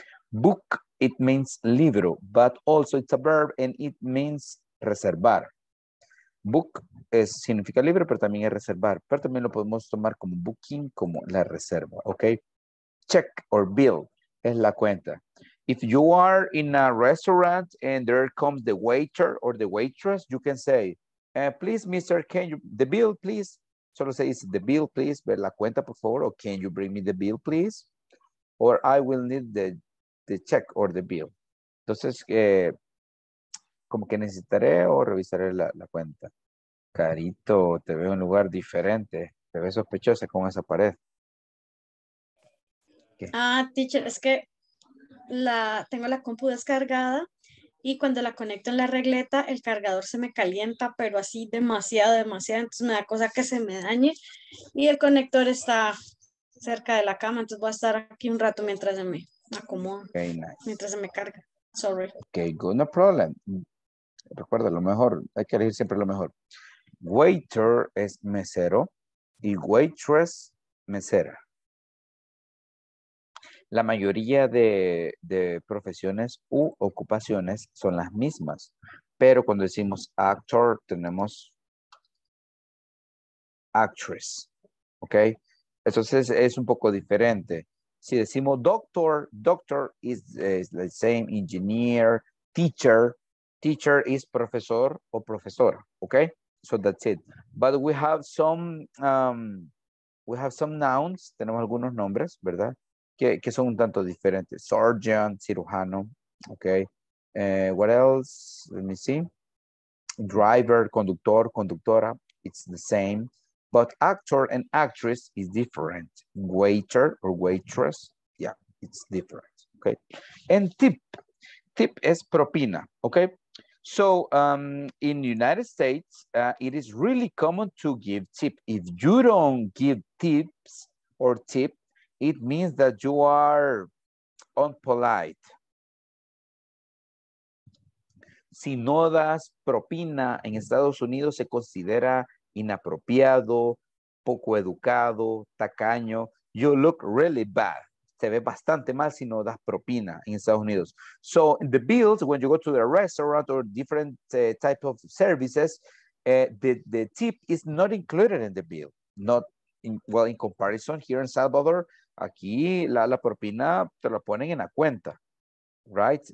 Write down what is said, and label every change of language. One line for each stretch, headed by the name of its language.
English: Book, it means libro, but also it's a verb and it means reservar.
Spanish: Book es, significa libre, pero también es reservar. Pero también lo podemos tomar como booking, como la reserva, ¿ok? Check or bill es la cuenta.
English: If you are in a restaurant and there comes the waiter or the waitress, you can say, please, mister, can you, the bill, please.
Spanish: Solo se dice,
English: the bill, please,
Spanish: ver la cuenta, por favor.
English: Or can you bring me the bill, please? Or I will need the check or the bill.
Spanish: Entonces, como que necesitaré o revisaré la cuenta. Carito, te veo en un lugar diferente. Te veo sospechosa con esa pared. ¿Qué? Ah, teacher, es que tengo la compu descargada y cuando la conecto en la regleta, el cargador se me calienta, pero así demasiado, demasiado. Entonces me da cosa que se me dañe y el conector está cerca de la cama. Entonces voy a estar aquí un rato mientras se me acomoda.
English: Okay, nice.
Spanish: Mientras se me carga. Sorry.
English: Okay, good, no problem.
Spanish: Recuerda, lo mejor, hay que elegir siempre lo mejor. Waiter es mesero y waitress, mesera. La mayoría de profesiones u ocupaciones son las mismas, pero cuando decimos actor, tenemos actress, ¿ok? Entonces es un poco diferente. Si decimos
English: doctor, doctor is the same, engineer, teacher. Teacher is profesor o profesora, okay? So that's it. But we have some nouns,
Spanish: tenemos algunos nombres, ¿verdad? Que son un tanto diferentes.
English: Surgeon, cirujano, okay? What else? Let me see. Driver, conductor, conductora, it's the same. But actor and actress is different. Waiter or waitress, yeah, it's different, okay? And tip.
Spanish: Tip es propina, okay?
English: So, in the United States, it is really common to give tip. If you don't give tips or tip, it means that you are impolite.
Spanish: Si no das propina, en Estados Unidos se considera inapropiado, poco educado, tacaño.
English: You look really bad.
Spanish: Se ve bastante mal si no das propina en Estados Unidos.
English: So, in the bills, when you go to the restaurant or different type of services, the tip is not included in the bill. Not in, well, in comparison, here in Salvador,
Spanish: aquí la propina te la ponen en la cuenta, right?